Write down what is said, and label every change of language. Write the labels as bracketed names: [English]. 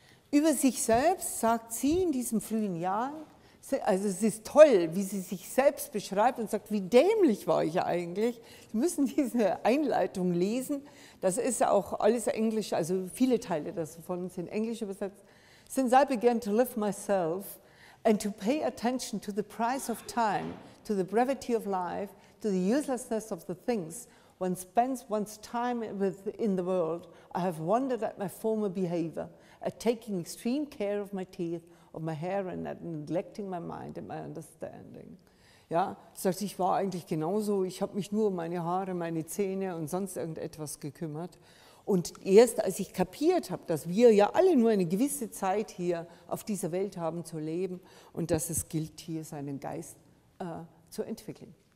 [German] Über sich selbst sagt sie in diesem frühen Jahr, also es ist toll, wie sie sich selbst beschreibt und sagt, wie dämlich war ich eigentlich. Sie müssen diese Einleitung lesen. Das ist auch alles Englisch, also viele Teile davon sind Englisch übersetzt. [English] Since I began to love myself and to pay attention to the price of time, to the brevity of life, to the uselessness of the things one spends one's time with in the world, I have wondered at my former behavior, at taking extreme care of my teeth, of my hair and at neglecting my mind and my understanding. [German] Ja, sagt, ich war eigentlich genauso, ich habe mich nur um meine Haare, meine Zähne und sonst irgendetwas gekümmert. Und erst als ich kapiert habe, dass wir ja alle nur eine gewisse Zeit hier auf dieser Welt haben zu leben und dass es gilt, hier seinen Geist zu entwickeln.